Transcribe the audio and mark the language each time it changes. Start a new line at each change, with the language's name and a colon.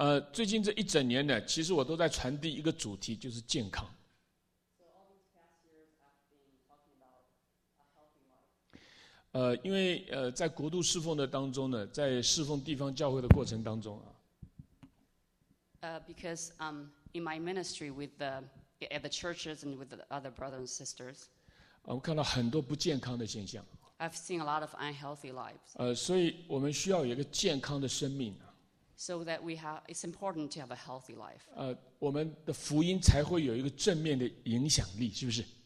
Chinese: 最近这一整年呢，其实我都在传递一个主题，就是健康。因为在国度侍奉的当中呢，在侍奉地方教会的过程当中啊。
English: Because in my ministry with the at the churches and with the other brothers and sisters,
Chinese: 我看到很多不健康的现象。
English: I've seen a lot of unhealthy lives.
Chinese: 所以我们需要有一个健康的生命。
English: So that we have, it's important to have a healthy life.
Chinese: 我们的福音才会有一个正面的影响力，是不是？